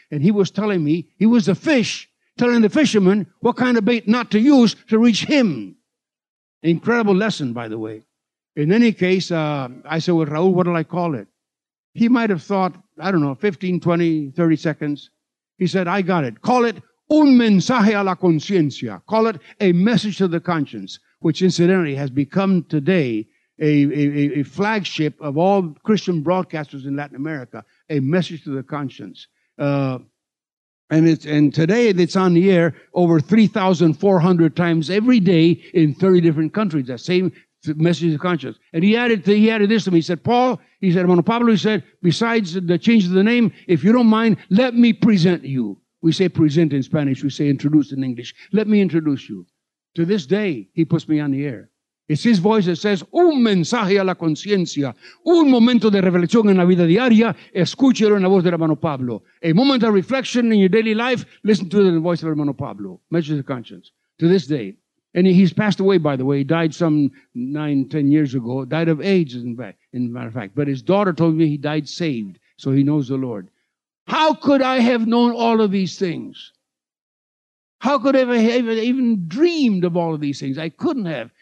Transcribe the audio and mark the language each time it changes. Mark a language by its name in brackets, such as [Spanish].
[English] And he was telling me, he was the fish, telling the fisherman what kind of bait not to use to reach him. Incredible lesson, by the way. In any case, I said, "Well, Raul, what'll I call it?" He might have thought, I don't know, 15, 20, 30 seconds. He said, "I got it. Call it [Spanish] un mensaje a la conciencia. [English] Call it a message to the conscience," which incidentally has become today a flagship of all Christian broadcasters in Latin America, a message to the conscience. And today it's on the air over 3,400 times every day in 30 different countries. That same message of conscience. And he added this to me. He said, Paul, he said, Hermano Pablo, he said, besides the change of the name, if you don't mind, let me present you. We say present in Spanish. We say introduce in English. Let me introduce you. To this day, he puts me on the air. It's his voice that says, [Spanish] un mensaje a la conciencia, un momento de reflexión en la vida diaria, escúchelo en la voz de Hermano Pablo. [English] A moment of reflection in your daily life, listen to the voice of Hermano Pablo. Measure the conscience. To this day. And he's passed away, by the way. He died some 9-10 years ago. Died of AIDS, in matter of fact. But his daughter told me he died saved, so he knows the Lord. How could I have known all of these things? How could I have even dreamed of all of these things? I couldn't have.